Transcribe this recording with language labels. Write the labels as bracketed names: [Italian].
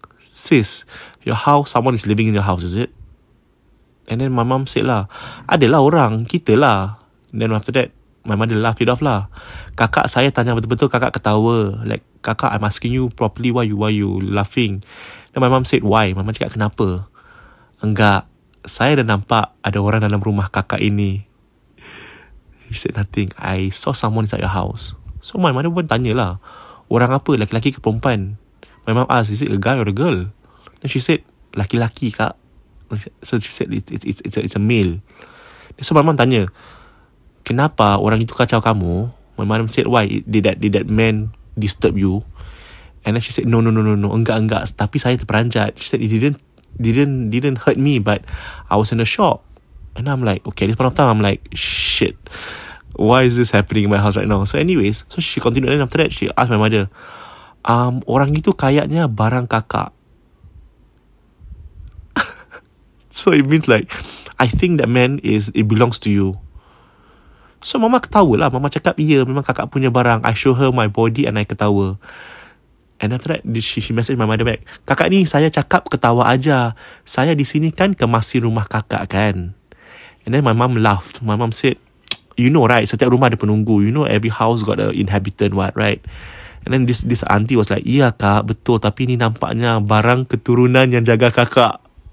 [English] Sis, your house, someone is living in your house, is it? And then my mom said lah, [Malay] adalah orang, kita lah. [English] Then after that, my mother laughed it off lah. [Malay] Kakak, saya tanya betul-betul, kakak ketawa. [English] Like, kakak, I'm asking you properly why you laughing. Then my mom said, why? My mom [Malay] cakap, kenapa? Enggak, saya dah nampak ada orang dalam rumah kakak ini. [English] He said nothing. I saw someone inside your house. So my mother [Malay] pun tanya lah, orang apa, laki-laki ke perempuan? [English] My mom asked, is it a guy or a girl? Then she said, [Malay] laki-laki, kak. [English] So she said, it's a male. So my mom [Malay] tanya, kenapa orang itu kacau kamu? [English] My mom said, why? Did that man disturb you? And then she said, no. [Malay] Enggak. Tapi saya terperanjat. [English] She said, it didn't hurt me, but I was in a shock. And I'm like, okay, this point of time, I'm like, shit. Why is this happening in my house right now? So anyways, so she continued. And after that, she asked my mother, [Malay] orang itu kayaknya barang kakak. [English] So it means like, I think that man is, it belongs to you. So [Malay] mama ketawa lah. Mama cakap, iya, memang kakak punya barang. [English] I show her my body and I ketawa. And after that, she message my mother back. [Malay] Kakak ni, saya cakap ketawa aja. Saya di sini kan kemasi rumah kakak kan. [English] And then my mom laughed. My mom said, you know right, [Malay] setiap rumah ada penunggu. [English] You know every house got an inhabitant what, right? And then this auntie was like, [Malay] iya kak, betul. Tapi ni nampaknya barang keturunan yang jaga kakak.